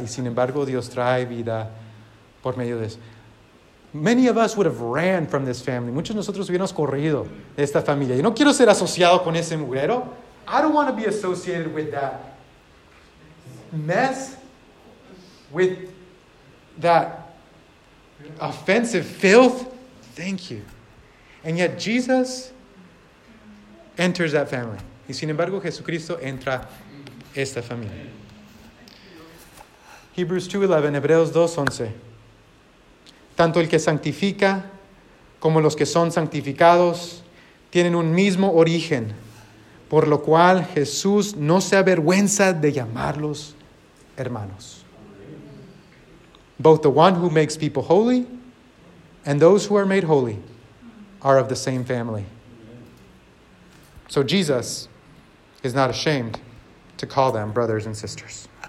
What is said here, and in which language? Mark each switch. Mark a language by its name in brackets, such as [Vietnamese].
[Spanish] Y sin embargo, Dios trae vida por medio de eso. [English] Many of us would have ran from this family. [Spanish] Muchos de nosotros hubiéramos corrido de esta familia. Yo no quiero ser asociado con ese mugrero. [English] I don't want to be associated with that mess, with that offensive filth. Thank you. And yet Jesus enters that family. [Spanish] Y sin embargo, Jesucristo entra esta familia. [English] Hebrews 2:11, Hebreos 2:11. [Spanish] Tanto el que santifica como los que son santificados tienen un mismo origen, por lo cual Jesús no se avergüenza de llamarlos hermanos. [English] Both the one who makes people holy and those who are made holy are of the same family. So Jesus is not ashamed to call them brothers and sisters.